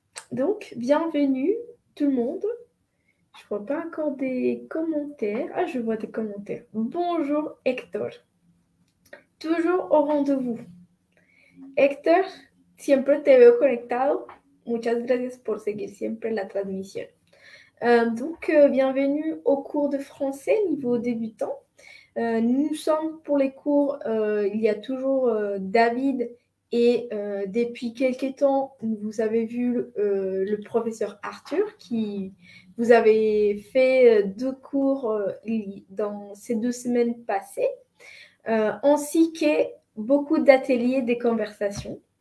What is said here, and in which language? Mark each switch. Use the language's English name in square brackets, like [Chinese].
[French] Donc, bienvenue tout le monde. Je ne vois pas encore des commentaires. Ah, je vois des commentaires. Bonjour Hector. Toujours au rendez-vous. [Spanish] Hector, siempre te veo conectado. Muchas gracias por seguir siempre la transmisión. [French] Bienvenue au cours de français niveau débutant. Nous sommes pour les cours, il y a toujours David et depuis quelques temps, vous avez vu le professeur Arthur qui vous avait fait deux cours dans ces deux semaines passées, ainsi que beaucoup d'ateliers, des conversations.